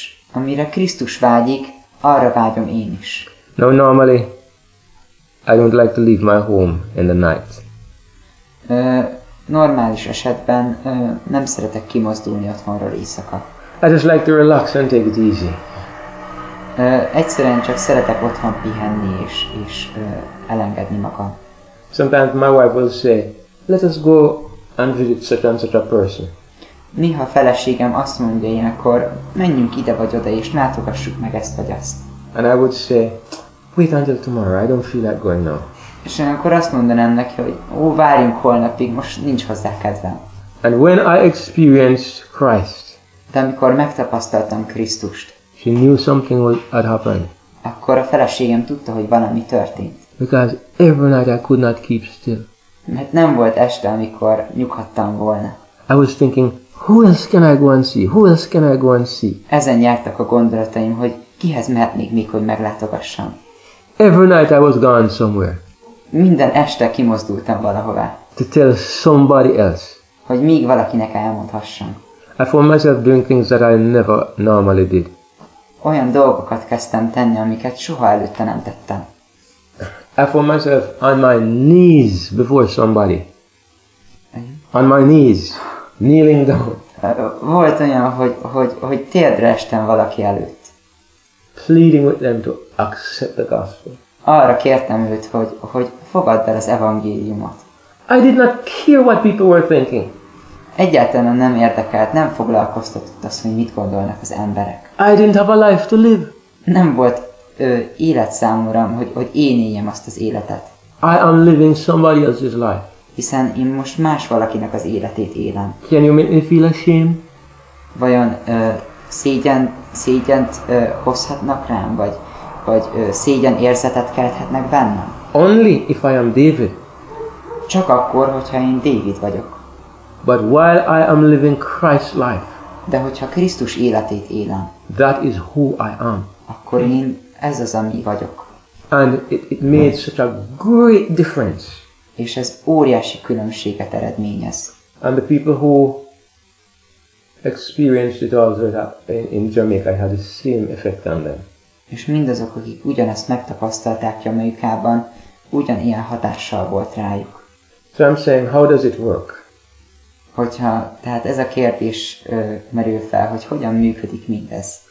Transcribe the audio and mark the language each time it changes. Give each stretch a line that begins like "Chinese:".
Hungarian: Amire Krisztus vágyik, arra vágyom én is.
English: Now normally, I don't like to leave my home in the night.
Hungarian: Normális esetben nem szeretek kimozdulni otthonról éjszaka.
English: I just like to relax and take it easy.
Hungarian: Egyszerűen csak szeretek otthon pihenni és elengedni magam.
English: Sometimes my wife will say, let us go and visit such and such a person.
Hungarian: Néha a feleségem azt mondja ilyenkor, menjünk ide vagy oda és látogassuk meg ezt vagy azt.
English: And I would say, wait until tomorrow, I don't feel like going now.
Hungarian: És akkor azt mondanám neki, hogy várjunk holnapig, most nincs hozzá kedvem.
English: And when I experienced Christ,
Hungarian: de amikor megtapasztaltam Krisztust,
English: she knew something had happened.
Hungarian: Akkor a feleségem tudta, hogy valami történt.
English: Because every night I could not keep still.
Hungarian: Mert nem volt este, amikor nyughattam volna.
English: I was thinking, who else can I go and see? Who else can I go and see?
Hungarian: Ezen jártak a gondolataim, hogy kihez mehetnék még, hogy meglátogassam.
English: Every night I was gone somewhere.
Hungarian: Minden este kimozdultam valahová.
English: To tell somebody else.
Hungarian: Hogy még valakinek elmondhassam.
English: I found myself doing things that I never normally did.
Hungarian: Olyan dolgokat kezdtem tenni, amiket soha előtte nem tettem.
English: I found myself on my knees before somebody. On my knees, kneeling down.
Hungarian: Volt olyan, hogy térdre estem valaki előtt.
English: Pleading with them to accept the gospel.
Hungarian: Arra kértem őt, hogy fogadd el az evangéliumot.
English: I did not care what people were thinking.
Hungarian: Egyáltalán nem érdekelt, nem foglalkoztatott az, hogy mit gondolnak az emberek.
English: I didn't have a life to live.
Hungarian: Nem volt élet számomra, hogy én éljem azt az életet.
English: I am living somebody else's life.
Hungarian: Hiszen én most más valakinek az életét élem.
English: Can you make me feel ashamed?
Hungarian: Vajon szégyent hozhatnak rám, vagy szégyen érzetet kelthetnek bennem?
English: Only if I am David.
Hungarian: Csak akkor, hogyha én David vagyok.
English: But while I am living Christ's life.
Hungarian: De hogyha Krisztus életét élem.
English: That is who I am.
Hungarian: Akkor én ez az, ami vagyok.
English: And it made such a great difference.
Hungarian: És ez óriási különbséget eredményez.
English: And the people who experienced it also in Jamaica had the same effect on them.
Hungarian: És mindazok, akik ugyanezt megtapasztalták Jamaicában, ugyanilyen hatással volt rájuk.
English: So I'm saying, how does it work?
Hungarian: Hogyha, tehát ez a kérdés merül fel, hogy hogyan működik mindez.